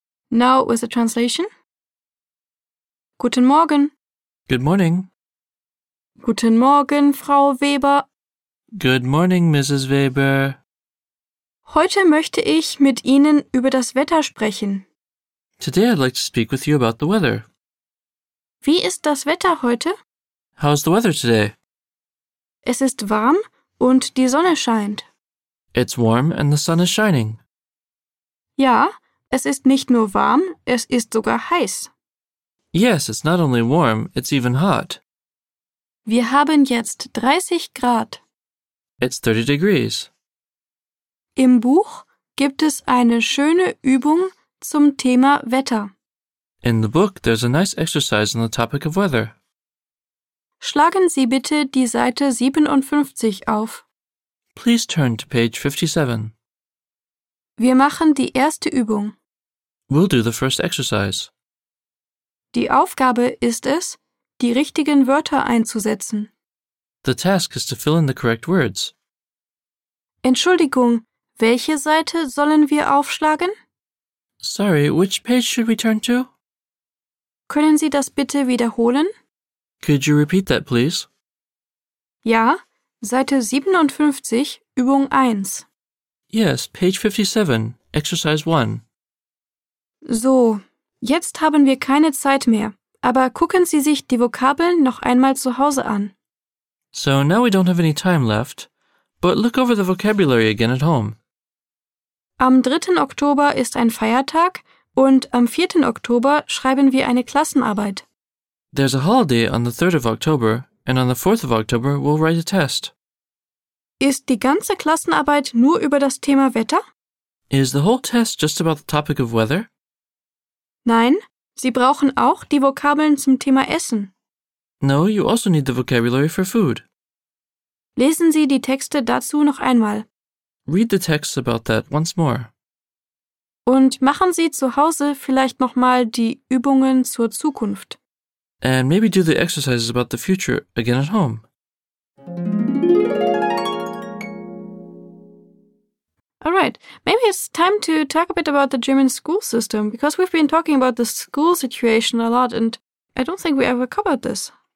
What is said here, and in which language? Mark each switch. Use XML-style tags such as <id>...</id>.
<en>Now with the translation.</en> <de>Guten Morgen.</de> <en>Good morning.</en> <de>Guten Morgen, Frau Weber.</de> <en>Good morning, Mrs. Weber.</en> <de>Heute möchte ich mit Ihnen über das Wetter sprechen.</de> <en>Today I'd like to speak with you about the weather.</en> <de>Wie ist das Wetter heute?</de> <en>How is the weather today?</en> <de>Es ist warm und die Sonne scheint.</de> <en>It's warm and the sun is shining.</en> <de>Ja, es ist nicht nur warm, es ist sogar heiß.</de> <en>Yes, it's not only warm, it's even hot.</en> <de>Wir haben jetzt 30 Grad.</de> <en>It's 30 degrees.</en> <de>Im Buch gibt es eine schöne Übung zum Thema Wetter.</de> <en>In the book there's a nice exercise on the topic of weather.</en> <de>Schlagen Sie bitte die Seite 57 auf.</de> <en>Please turn to page 57.</en> <de>Wir machen die erste Übung.</de> <en>We'll do the first exercise.</en> <de>Die Aufgabe ist es, die richtigen Wörter einzusetzen.</de> <en>The task is to fill in the correct words.</en> <de>Entschuldigung, welche Seite sollen wir aufschlagen?</de> <en>Sorry, which page should we turn to?</en> <de>Können Sie das bitte wiederholen?</de> <en>Could you repeat that, please?</en> <de>Ja, Seite 57, Übung 1.</de> <en>Yes, page 57, exercise 1.</en> <de>So, jetzt haben wir keine Zeit mehr, aber gucken Sie sich die Vokabeln noch einmal zu Hause an.</de> <en>So, now we don't have any time left, but look over the vocabulary again at home.</en> <de>Am 3. Oktober ist ein Feiertag und am 4. Oktober schreiben wir eine Klassenarbeit.</de> <en>There's a holiday on the 3rd of October and on the 4th of October we'll write a test.</en> <de>Ist die ganze Klassenarbeit nur über das Thema Wetter?</de> <en>Is the whole test just about the topic of weather?</en> <de>Nein, Sie brauchen auch die Vokabeln zum Thema Essen.</de> <en>No, you also need the vocabulary for food.</en> <de>Lesen Sie die Texte dazu noch einmal.</de> <en>Read the text about that once more.</en> <de>Und machen Sie zu Hause vielleicht nochmal die Übungen zur Zukunft.</de> <en>And maybe do the exercises about the future again at home. Alright, maybe it's time to talk a bit about the German school system, because we've been talking about the school situation a lot, and I don't think we ever covered this.</en>